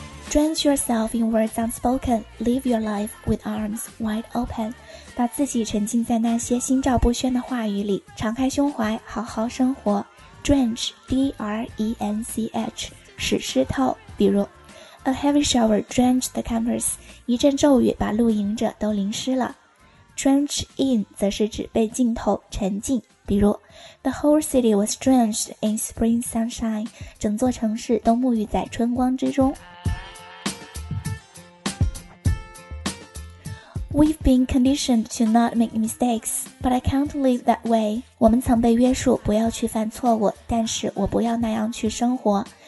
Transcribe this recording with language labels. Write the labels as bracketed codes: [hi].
[en] Drench yourself in words unspoken, live your life with arms wide open. [zh] 把自己沉浸在那些心照不宣的话语里，敞开胸怀，好好生活。 Drench, D-R-E-N-C-H, 使湿透，比如 [en] A heavy shower drenched the campus, [zh] 一阵骤雨把露营者都淋湿了。 Drench in 则是指被浸透，沉浸，比如 [en] The whole city was drenched in spring sunshine, [zh] 整座城市都沐浴在春光之中。 [en] We've been conditioned to not make mistakes, but I can't live that way. [zh] 我们曾被约束不要去犯错误，但是我不要那样去生活。